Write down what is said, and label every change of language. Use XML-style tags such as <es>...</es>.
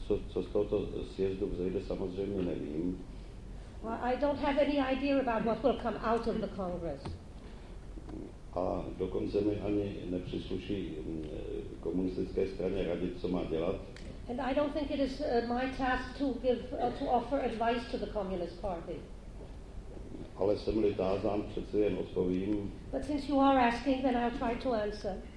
<cs>Co z tohoto sjezdu vzejde, samozřejmě nevím.</cs> <en>Well, I don't have any idea about what will come out of the Congress.</en> <cs>A dokonce mi ani nepřísluší komunistické straně radit, co má dělat.</cs> <en>And I don't think it is my task to give to offer advice to the Communist Party.</en> <cs>Ale jsem-li tázán, přece jen odpovím.</cs> <en>But since you are asking, then I'll try to answer.</en>